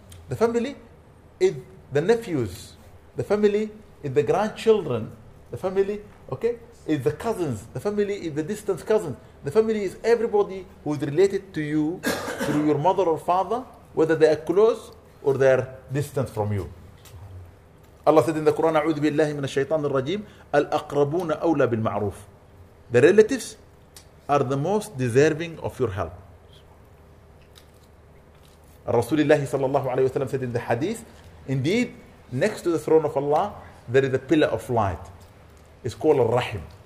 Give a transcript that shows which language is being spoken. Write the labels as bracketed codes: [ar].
[en] The family is the nephews. The family is the grandchildren. The family, okay, is the cousins. The family is the distant cousins. The family is everybody who is related to you through your mother or father, whether they are close or they are distant from you. Allah said in the Quran, [ar] أعوذ بالله من الشيطان الرجيم الأقربون أولى بالمعروف. [en] The relatives are the most deserving of your help. [ar] الرسول الله صلى الله عليه وسلم [en] said in the hadith, indeed, next to the throne of Allah, there is a pillar of light. It's called al-Rahim.